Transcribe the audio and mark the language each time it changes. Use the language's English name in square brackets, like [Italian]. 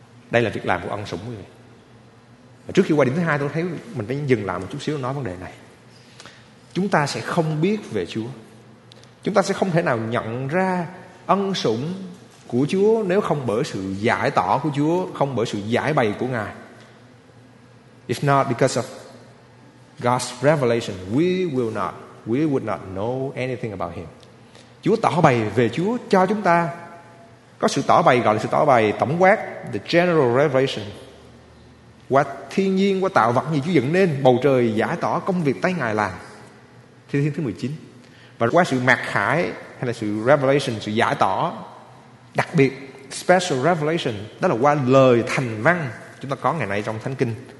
[Vietnamese] Đây là việc làm của ân sủng. Trước khi qua điểm thứ hai, tôi thấy mình phải dừng lại một chút xíu nói vấn đề này. Chúng ta sẽ không biết về Chúa. Chúng ta sẽ không thể nào nhận ra ân sủng của Chúa nếu không bởi sự giải tỏ của Chúa, không bởi sự giải bày của Ngài. [English] If not because of God's revelation, we would not know anything about Him. [Vietnamese] Chúa tỏ bày về Chúa cho chúng ta. Có sự tỏ bày gọi là sự tỏ bày tổng quát, [English] the general revelation. [Vietnamese] Qua thiên nhiên, qua tạo vật gì Chúa dựng nên, bầu trời giải tỏ công việc tay Ngài làm. Thi Thiên thứ 19. Và qua sự mặc khải hay là sự revelation, sự giải tỏ đặc biệt, [English] special revelation, [Vietnamese] đó là qua lời thành văn chúng ta có ngày nay trong Thánh Kinh.